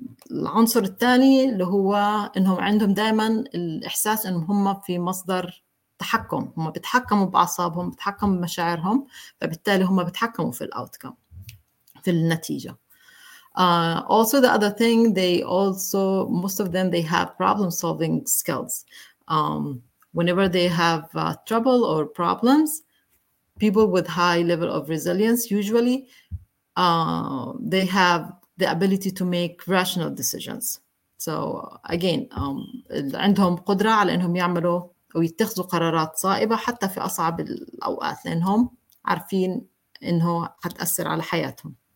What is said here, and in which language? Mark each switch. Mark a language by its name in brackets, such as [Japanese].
[Arabic] العنصر الثاني اللي هو إنهم عندهم دائما الإحساس إنهم هم في مصدر تحكم، هم بتحكموا بأعصابهم، بتحكموا بمشاعرهم، فبالتالي هم بتحكموا في الأوتكم، في النتيجة. [English] Also the other thing, they also, most of them, they have problem solving skills. Whenever they have trouble or problems, people with high level of resilience usually, they have the ability to make rational decisions. So again, [Arabic] عندهم قدرة على إنهم يعملوا ويتخذوا قرارات صائبة حتى في أصعب الأوقات لأنهم عارفين إنه هتأثر على حياتهم.